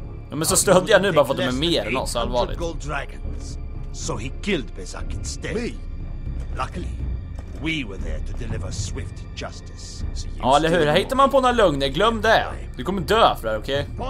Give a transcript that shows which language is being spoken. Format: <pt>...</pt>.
<sv>Ja, men så stödde jag nu bara för att de är mer än oss allvarligt.</sv> <en>So he killed Bezak instead. Me? Luckily. We were there to deliver swift justice.</en> <sv>Ja, eller hur? Hittar man på några lögner, glöm det. Du kommer dö för det, okej?</sv>